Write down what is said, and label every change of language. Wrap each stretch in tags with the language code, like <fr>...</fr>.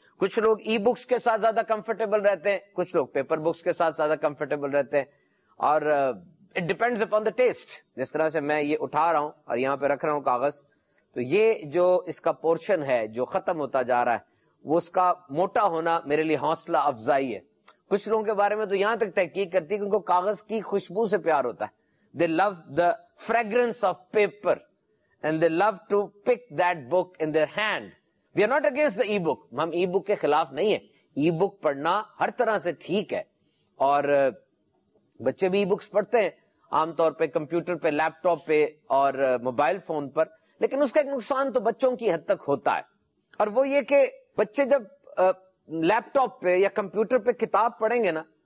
<ur>کچھ لوگ e books کے ساتھ زیادہ کمفرٹیبل رہتے ہیں, کچھ لوگ پیپر بکس کے ساتھ زیادہ کمفرٹیبل رہتے ہیں, اور</ur> <en>It depends upon the taste.</en> <ur>جس طرح سے میں یہ اٹھا رہا ہوں اور یہاں پہ رکھ رہا ہوں کاغذ, تو یہ جو اس کا پورشن ہے جو ختم ہوتا جا رہا ہے, وہ اس کا موٹا ہونا میرے لیے حوصلہ افزائی ہے. کچھ لوگوں کے بارے میں تو یہاں تک تحقیق کرتی ہے کہ ان کو کاغذ کی خوشبو سے پیار ہوتا ہے.</ur> <en>They love the fragrance of paper and they love to pick that book in their hand. We are not against the e book,</en> <ur>ہم ای بک کے خلاف نہیں ہے. ای بک پڑھنا ہر طرح سے ٹھیک ہے, اور بچے بھی ای بکس پڑھتے ہیں عام طور پہ, کمپیوٹر پہ, لیپ ٹاپ پہ اور موبائل فون پر. لیکن اس کا ایک نقصان تو بچوں کی حد تک ہوتا ہے, اور وہ یہ کہ بچے جب لیپ ٹاپ پہ یا کمپیوٹر پہ کتاب پڑھیں گے نا,</ur>